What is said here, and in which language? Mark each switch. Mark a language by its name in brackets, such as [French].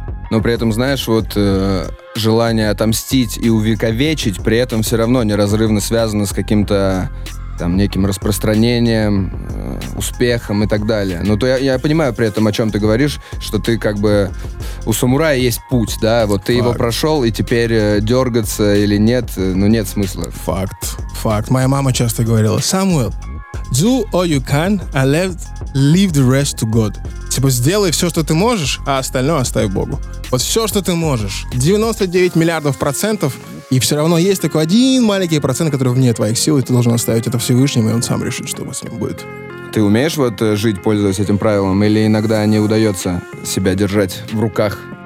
[Russian] Но при этом, знаешь, вот желание отомстить и увековечить при этом все равно неразрывно связано с каким-то там неким распространением, успехом и так далее. Ну, то я понимаю при этом, о чем ты говоришь, что ты как бы... У самурая есть путь, да? Вот ты его прошел, и теперь дергаться или нет, ну, нет смысла. Факт. Моя мама часто говорила, Самуэл, [English] do all you can and leave the rest to God. [Russian] Типа, сделай все, что ты можешь, а остальное оставь Богу. Вот все, что ты можешь. 99 миллиардов процентов, и все равно есть такой один маленький процент, который вне твоих сил, и ты должен оставить это Всевышнему, и он сам решит, что с ним будет. Ты умеешь вот жить, пользуясь этим правилом, или иногда не удается себя держать в руках?